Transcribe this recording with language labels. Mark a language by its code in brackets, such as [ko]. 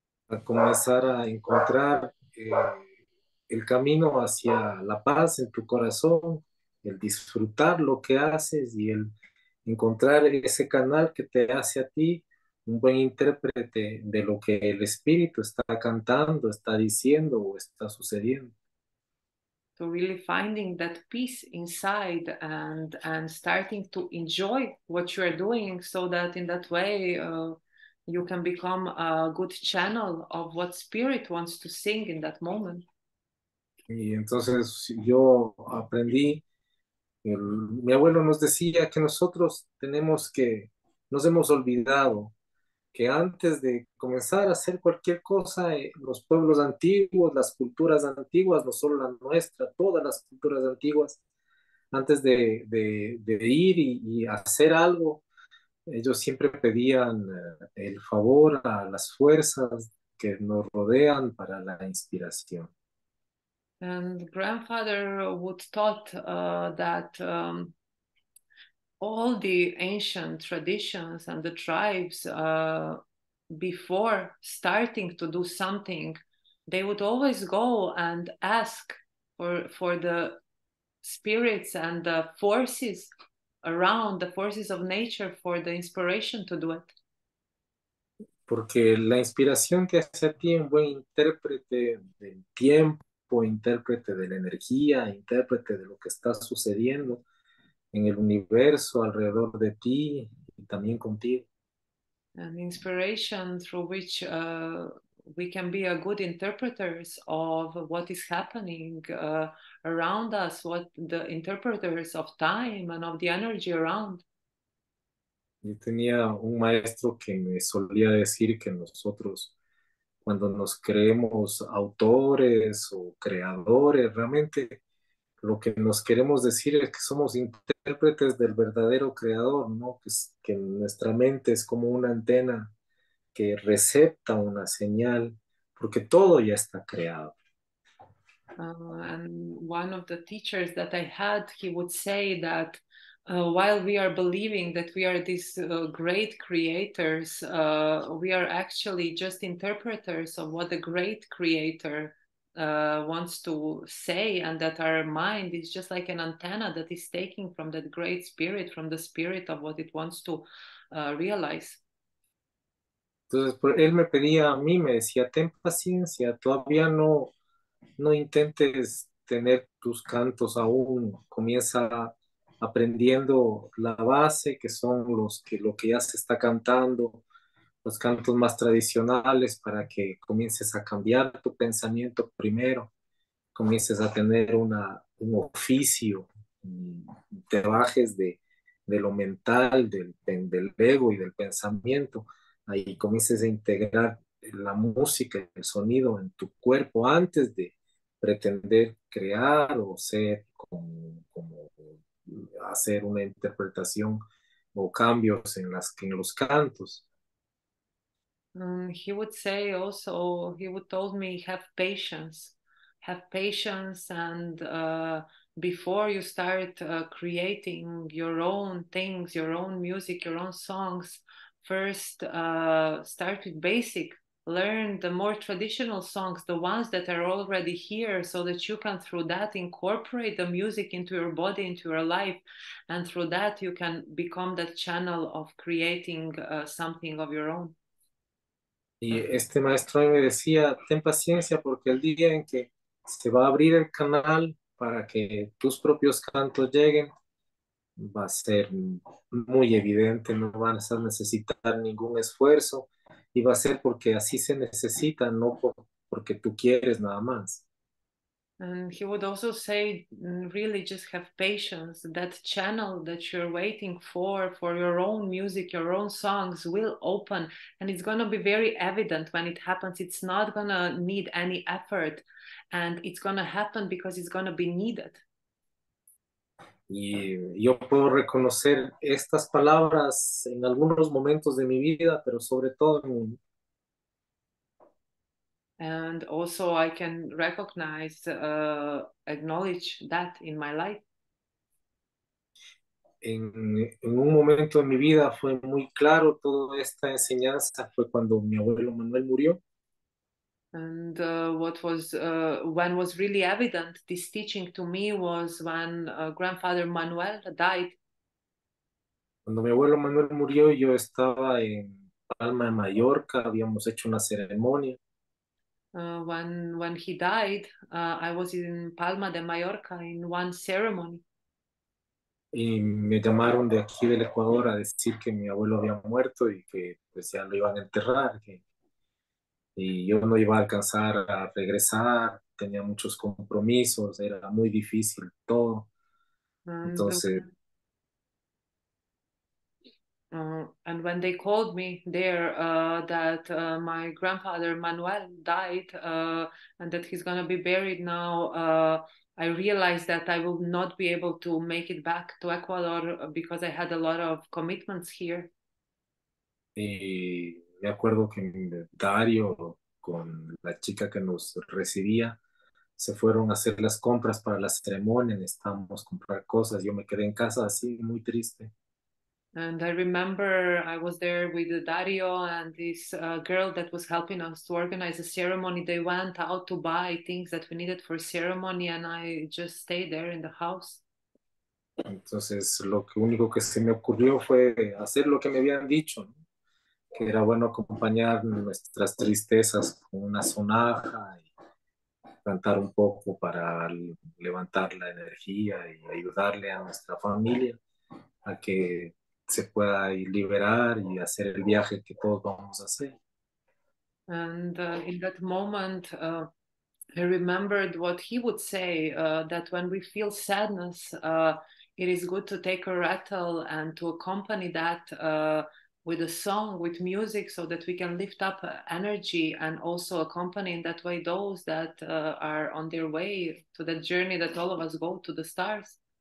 [es] A comenzar a encontrar el camino hacia la paz en tu corazón, el disfrutar lo que haces y el encontrar ese canal que te hace a ti un buen intérprete de lo que el espíritu está cantando, está diciendo o está sucediendo. [en] To really finding that peace inside and starting to enjoy what you are doing so that in that way you can become a good channel of what spirit wants to sing in that moment. [es] Y entonces yo aprendí, mi abuelo nos decía que nosotros tenemos que, nos hemos olvidado que antes de comenzar a hacer cualquier cosa, los pueblos antiguos, las culturas antiguas, no solo la nuestra, todas las culturas antiguas, antes de ir y hacer algo, ellos siempre pedían el favor a las fuerzas que nos rodean para la inspiración. [en] And grandfather would taught that all the ancient traditions and the tribes before starting to do something, they would always go and ask for the spirits and the forces around, the forces of nature, for the inspiration to do it. [es] Porque la inspiración te hace a ti un buen intérprete del tiempo, intérprete de la energía, intérprete de lo que está sucediendo en el universo alrededor de ti y también contigo. [en] An inspiration through which we can be a good interpreters of what is happening around us, what the interpreters of time and of the energy around. [es] Yo tenía un maestro que me solía decir que nosotros, cuando nos creemos autores o creadores, realmente lo que nos queremos decir es que somos intérpretes del verdadero creador, ¿no? Que nuestra mente es como una antena que recepta una señal, porque todo ya está creado. [en] And one of the teachers that I had, he would say that while we are believing that we are these great creators, we are actually just interpreters of what the great creator wants to say, and that our mind is just like an antenna that is taking from that great spirit, from the spirit of what it wants to realize. [es] Entonces, él me pedía a mí, me decía, ten paciencia, todavía no intentes tener tus cantos aún, comienza aprendiendo la base, que son lo que ya se está cantando, los cantos más tradicionales, para que comiences a cambiar tu pensamiento primero, comiences a tener un oficio, te bajes de lo mental, del ego y del pensamiento, ahí comiences a integrar la música, el sonido en tu cuerpo antes de pretender crear o ser como hacer una interpretación o cambios en los cantos. [en] He would say also, he would told me, have patience, and before you start creating your own things, your own music, your own songs, first start with basic, learn the more traditional songs, the ones that are already here, so that you can through that incorporate the music into your body, into your life, and through that you can become that channel of creating something of your own. [es] Y este maestro me decía, ten paciencia porque el día en que se va a abrir el canal para que tus propios cantos lleguen, va a ser muy evidente, no vas a necesitar ningún esfuerzo y va a ser porque así se necesita, no porque tú quieres nada más. [en] And he would also say, really just have patience. That channel that you're waiting for your own music, your own songs, will open. And it's going to be very evident when it happens. It's not going to need any effort. And it's going to happen because it's going to be needed. [es] Y yo puedo reconocer estas palabras en algunos momentos de mi vida, pero sobre todo en un... [en] And also I can recognize, acknowledge that in my life. [es] En un momento de mi vida fue muy claro toda esta enseñanza, fue cuando mi abuelo Manuel murió. [en] And what was, when was really evident, this teaching to me was when grandfather Manuel died. [es] Cuando mi abuelo Manuel murió, yo estaba en Palma de Mallorca, habíamos hecho una ceremonia. [en] When he died, I was in Palma de Mallorca in one ceremony. [es] Y me llamaron de aquí del Ecuador a decir que mi abuelo había muerto y que pues ya lo iban a enterrar. Y yo no iba a alcanzar a regresar, tenía muchos compromisos, era muy difícil todo. Entonces... [en] And when they called me there that my grandfather Manuel died and that he's going to be buried now, I realized that I will not be able to make it back to Ecuador because I had a lot of commitments here. [es] Y me acuerdo que Dario con la chica que nos recibía. Se fueron a hacer las compras para la ceremonia, necesitábamos comprar cosas. Yo me quedé en casa así, muy triste. [en] And I remember I was there with Dario and this girl that was helping us to organize a ceremony. They went out to buy things that we needed for ceremony, and I just stayed there in the house. [es] Entonces, lo único que se me ocurrió fue hacer lo que me habían dicho, ¿no? Que era bueno acompañar nuestras tristezas con una sonaja y cantar un poco para levantar la energía y ayudarle a nuestra familia a que se pueda ir liberar y hacer el viaje que todos vamos a hacer. [en] And in that moment, I remembered what he would say, that when we feel sadness, it is good to take a rattle and to accompany that with a song, with music, so that we can lift up energy and also accompany in that way those that are on their way to that journey that all of us go to the stars.